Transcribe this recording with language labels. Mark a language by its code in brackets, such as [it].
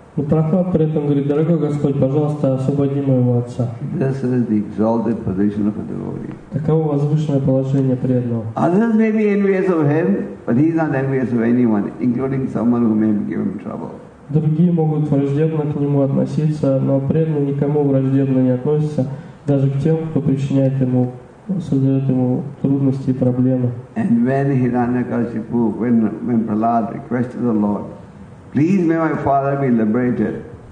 [ru] Но Прохлад при этом говорит, дорогой Господь, пожалуйста, освободи моего отца. [en] This is the exalted position of a devotee. [ru] Таково возвышенное положение преданного. [en] Others may be envious of him, but he's not envious of anyone, including someone who may give him trouble. [ru] Другие могут враждебно к нему относиться, но преданный никому враждебно не относится, даже к тем, кто причиняет ему, создает ему трудности и проблемы. [en] And when Hiranyakashipu, when Prahlad requested the Lord, please may my father be liberated.